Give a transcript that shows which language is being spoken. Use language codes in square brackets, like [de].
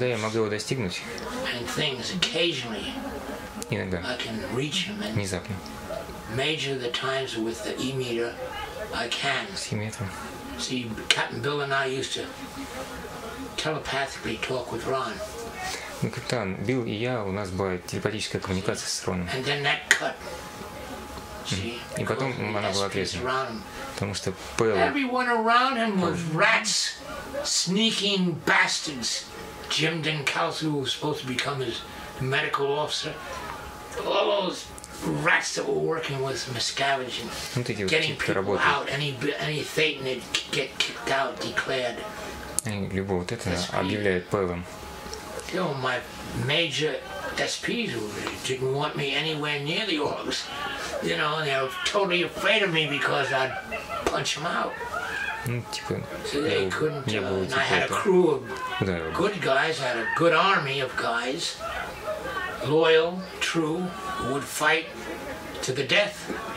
[en] and things occasionally. [ru] Иногда. [en] I can reach him and [ru] внезапно. [en] Measure the times with the e-meter. I can. E-meter. See, Captain Bill and I used to telepathically talk with Ron. [ru] Ну, капитан, Билл и я, у нас была телепатическая коммуникация с Роном. [en] And then that cut. [ru] И потом она была отрезана. Потому что Пэл... [en] Everyone around him was rats, sneaking bastards. Jim Dinkalsu, who was supposed to become his medical officer. All those rats that were working with Miscavige and getting people out. Any Thetan that get kicked out, declared. [ru] И любого вот это объявляет Пэлом. [en] You know, my major SPs didn't want me anywhere near the orgs. You know, they were totally afraid of me because I'd punch them out. [ru] Ну, типа, [en] so they couldn't, and I had a crew of good guys, I had a good army of guys, loyal, true, who would fight to the death.